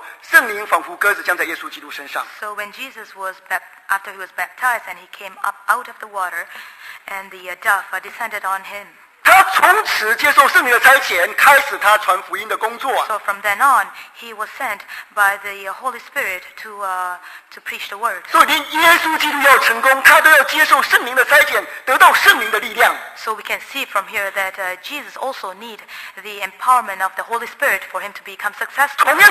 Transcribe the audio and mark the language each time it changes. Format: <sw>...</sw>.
<zh>当耶稣基督从耶诞河受洗起来的时候,圣灵仿佛鸽子降在耶稣基督身上。</zh> <en>So when Jesus was after he was baptized and he came up out of the water, and the dove descended on him.</en> <zh>他从此接受圣灵的差遣,开始他传福音的工作。So</zh> <en>from then on, he was sent by the Holy Spirit to preach the word.</en> <zh>所以耶稣基督要成功,他都要接受圣灵的差遣,得到圣灵的力量。So</zh> <en>we can see from here that Jesus also needs the empowerment of the Holy Spirit for him to become successful.</en>